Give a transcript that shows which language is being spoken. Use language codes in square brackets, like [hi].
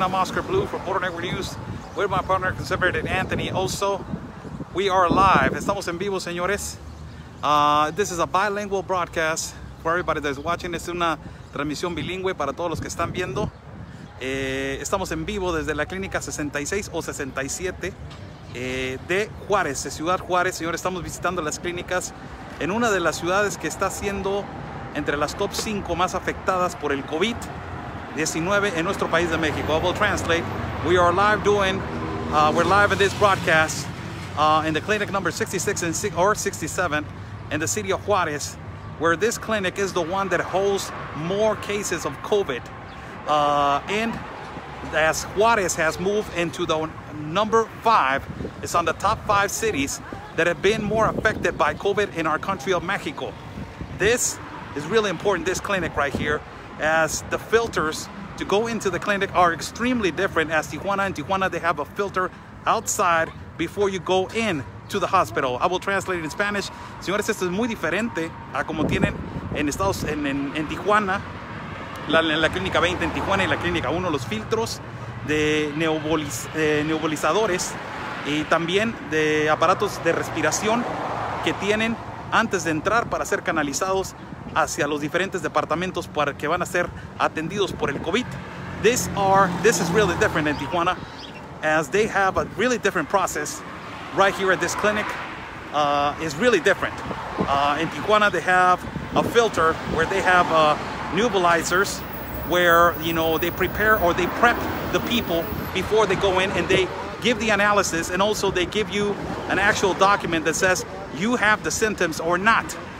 [en] I'm Oscar Blue from Border Network News with my partner, Conservative Anthony Oso. We are live. [es] Estamos en vivo, señores. [en] This is a bilingual broadcast for everybody that's watching. [es] Es una transmisión bilingüe para todos los que están viendo. Estamos en vivo desde la clínica 66 o 67 de Juárez, de Ciudad Juárez. Señores, estamos visitando las clínicas en una de las ciudades que está siendo entre las top 5 más afectadas por el COVID-19 en nuestro país de México. [en] I will translate. We are live doing, we're live in this broadcast in the clinic number 66 and or 67 in the city of Juárez, where this clinic is the one that holds more cases of COVID. And as Juárez has moved into the number 5, it's on the top 5 cities that have been more affected by COVID in our country of Mexico. This is really important, this clinic right here, as the filters to go into the clinic are extremely different. As Tijuana and Tijuana, they have a filter outside before you go in to the hospital. I will translate it in Spanish. [es] Señores, esto es muy diferente a como tienen en Estados en Tijuana, la clínica 20 en Tijuana y la clínica 1, los filtros de nebulizadores y también de aparatos de respiración que tienen antes de entrar para ser canalizados hacia los diferentes departamentos para que van a ser atendidos por el COVID. [en] This is really different in Tijuana, as they have a really different process right here at this clinic. It's really different. In Tijuana, they have a filter where they have nebulizers where, you know, they prepare or they prep the people before they go in and they give the analysis, and also they give you an actual document that says you have the symptoms or not.